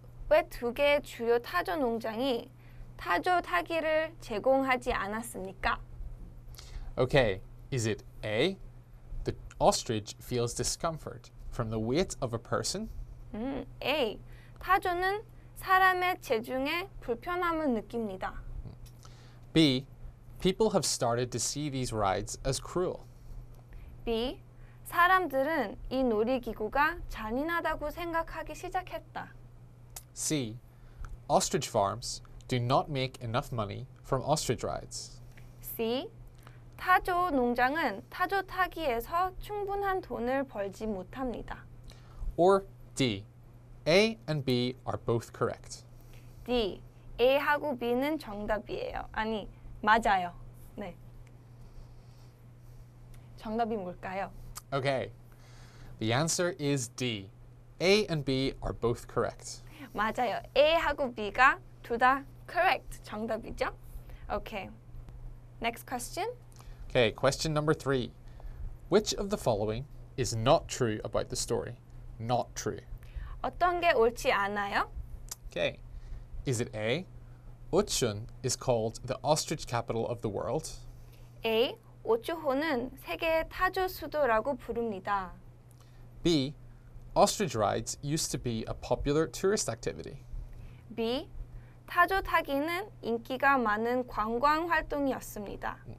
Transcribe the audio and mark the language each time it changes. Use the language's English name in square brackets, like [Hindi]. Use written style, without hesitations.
[Korean] 왜 두 개의 주요 타조 농장이 타조 타기를 제공하지 않았습니까? [English] Okay. Is it A, the ostrich feels discomfort from the weight of a person? [Korean] A, 타조는 사람의 체중에 불편함을 느낍니다. [English] B, people have started to see these rides as cruel. [Korean] B, 사람들은 이 놀이기구가 잔인하다고 생각하기 시작했다. [English] C, ostrich farms do not make enough money from ostrich rides. [Korean] C, 타조 농장은 타조 타기에서 충분한 돈을 벌지 못합니다. [English] Or D. A and B are both correct. D. [Korean] A하고 B는 정답이에요. 아니, 맞아요. 네. 정답이 뭘까요? [English] Okay. The answer is D. A and B are both correct. [Korean] 맞아요. A하고 B가 둘 다 correct. 정답이죠? [English] Okay. Next question. Okay, question number three. Which of the following is not true about the story? Not true. [Korean] 어떤 게 옳지 않아요? [English] Okay. Is it A, Oudtshoorn is called the ostrich capital of the world? [Korean] A, 오추혼은 세계의 타조 수도라고 부릅니다. [English] B, Ostrich rides used to be a popular tourist activity. B. [Korean] 타조 타기는 인기가 많은 관광 활동이었습니다.